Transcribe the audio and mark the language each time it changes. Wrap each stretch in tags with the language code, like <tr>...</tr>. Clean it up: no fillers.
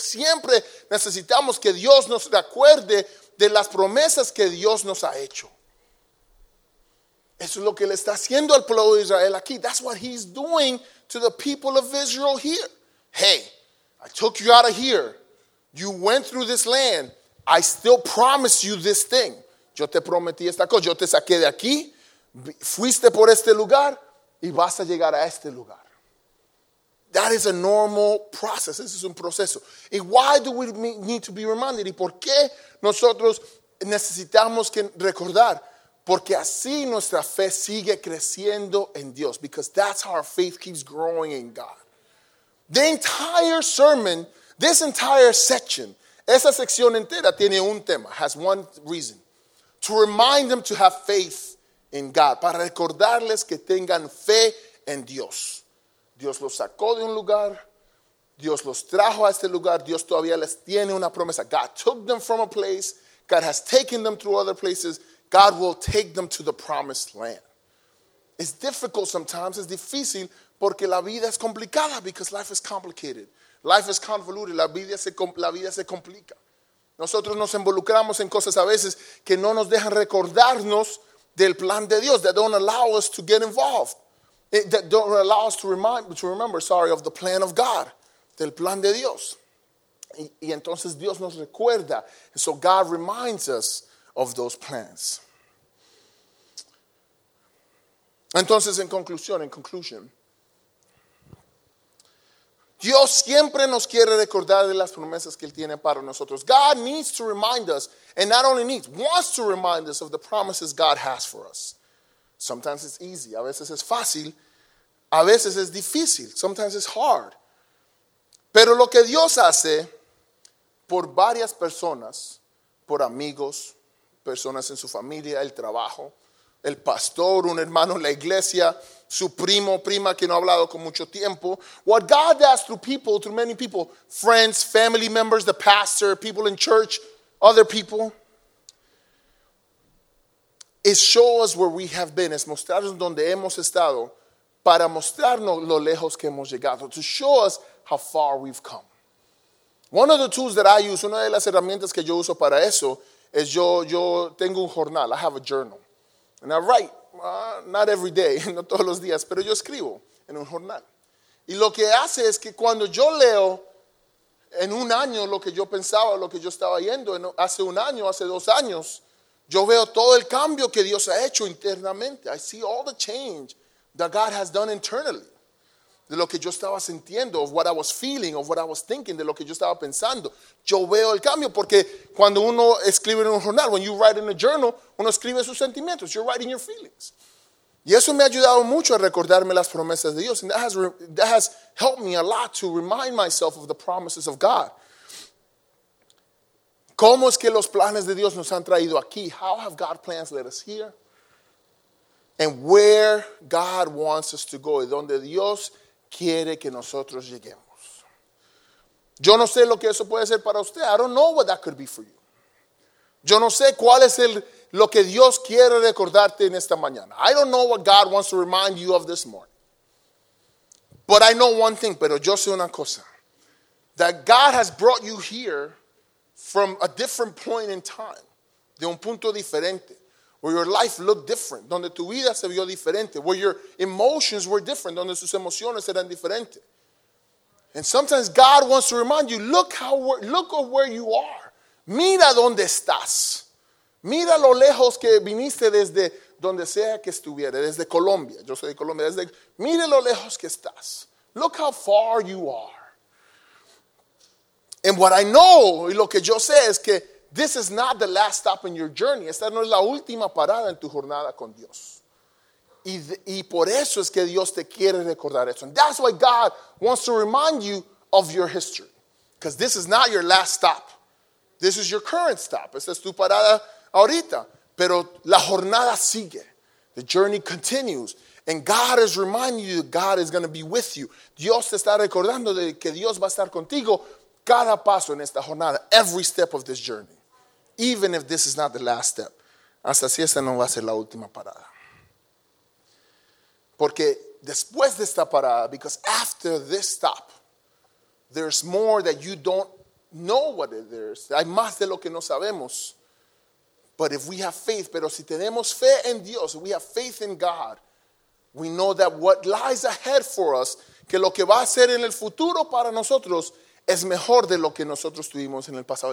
<es>Siempre necesitamos que Dios nos recuerde de las promesas que Dios nos ha hecho. Eso es lo que le está haciendo al pueblo de Israel aquí.</es> <en>That's what he's doing to the people of Israel here. Hey, I took you out of here. You went through this land. I still promise you this thing.</en> <es>Yo te prometí esta cosa. Yo te saqué de aquí. Fuiste por este lugar. Y vas a llegar a este lugar.</es> <en>That is a normal process.</en> <es>Ese es un proceso.</es> <en>And why do we need to be reminded?</en> <es>¿Y por qué nosotros necesitamos que recordar? Porque así nuestra fe sigue creciendo en Dios.</es> <en>Because that's how our faith keeps growing in God. The entire sermon, this entire section,</en> <es>esa sección entera tiene un tema,</es> <en>has one reason. To remind them to have faith in God.</en> <es>Para recordarles que tengan fe en Dios. Dios los sacó de un lugar. Dios los trajo a este lugar. Dios todavía les tiene una promesa.</es> <en>God took them from a place. God has taken them through other places. God will take them to the promised land. It's difficult sometimes.</en> <es>Es difícil porque la vida es complicada.</es> <en>Because life is complicated. Life is convoluted.</en> <es>La vida se complica. Nosotros nos involucramos en cosas a veces que no nos dejan recordarnos del plan de Dios.</es> <en>That don't allow us to get involved. That don't allow us to remember of the plan of God.</en> <es>Del plan de Dios. Y entonces Dios nos recuerda.</es> <en>And so God reminds us of those plans.</en> <es>Entonces,</es> <en>in conclusion,</en> <es>Dios siempre nos quiere recordar de las promesas que Él tiene para nosotros.</es> <en>God needs to remind us, and not only needs, wants to remind us of the promises God has for us. Sometimes it's easy,</en> <es>a veces es fácil, a veces es difícil,</es> <en>sometimes it's hard.</en> <es>Pero lo que Dios hace por varias personas, por amigos, personas en su familia, el trabajo, el pastor, un hermano en la iglesia, su primo, prima que no ha hablado con mucho tiempo.</es> <en>What God does through people, through many people, friends, family members, the pastor, people in church, other people, is show us where we have been.</en> <es>Es mostrarnos donde hemos estado para mostrarnos lo lejos que hemos llegado.</es> <en>To show us how far we've come. One of the tools that I use,</en> <es>una de las herramientas que yo uso para eso, es yo tengo un jornal.</es> <en>I have a journal. And I write, not every day,</en> <es>no todos los días, pero yo escribo en un jornal. Y lo que hace es que cuando yo leo en un año lo que yo pensaba, lo que yo estaba yendo, hace un año, hace dos años, yo veo todo el cambio que Dios ha hecho internamente.</es> <en>I see all the change that God has done internally.</en> <es>De lo que yo estaba sintiendo,</es> <en>of what I was feeling, of what I was thinking,</en> <es>de lo que yo estaba pensando. Yo veo el cambio porque cuando uno escribe en un jornal,</es> <en>when you write in a journal,</en> <es>uno escribe sus sentimientos.</es> <en>You're writing your feelings.</en> <es>Y eso me ha ayudado mucho a recordarme las promesas de Dios.</es> <en>And that has helped me a lot to remind myself of the promises of God.</en> <es>¿Cómo es que los planes de Dios nos han traído aquí?</es> <en>How have God's plans led us here? And where God wants us to go.</en> <es>Y donde Dios quiere que nosotros lleguemos. Yo no sé lo que eso puede ser para usted.</es> <en>I don't know what that could be for you.</en> <es>Yo no sé cuál es lo que Dios quiere recordarte en esta mañana.</es> <en>I don't know what God wants to remind you of this morning. But I know one thing.</en> <es>Pero yo sé una cosa.</es> <en>That God has brought you here from a different point in time.</en> <es>De un punto diferente.</es> <en>where your life looked different,</en> <es>donde tu vida se vio diferente,</es> <en>where your emotions were different,</en> <es>donde sus emociones eran diferentes.</es> <en>And sometimes God wants to remind you, look at where you are.</en> <es>Mira donde estás. Mira lo lejos que viniste desde donde sea que estuviera, desde Colombia. Yo soy de Colombia. Desde, mira lo lejos que estás.</es> <en>Look how far you are. And what I know,</en> <es>y lo que yo sé, es que</es> <en>this is not the last stop in your journey.</en> <es>Esta no es la última parada en tu jornada con Dios. Y por eso es que Dios te quiere recordar eso.</es> <en>And that's why God wants to remind you of your history. Because this is not your last stop. This is your current stop.</en> <es>Esta es tu parada ahorita. Pero la jornada sigue.</es> <en>The journey continues. And God is reminding you that God is going to be with you.</en> <es>Dios te está recordando de que Dios va a estar contigo cada paso en esta jornada.</es> <en>Every step of this journey. Even if this is not the last step.</en> <es>Hasta si esta no va a ser la última parada. Porque después de esta parada,</es> <en>because after this stop, there's more that you don't know what it is.</en> <es>Hay más de lo que no sabemos.</es> <en>But if we have faith,</en> <es>pero si tenemos fe en Dios,</es> <en>we have faith in God, we know that what lies ahead for us,</en> <es>que lo que va a ser en el futuro para nosotros, es mejor de lo que nosotros tuvimos en el pasado.</es>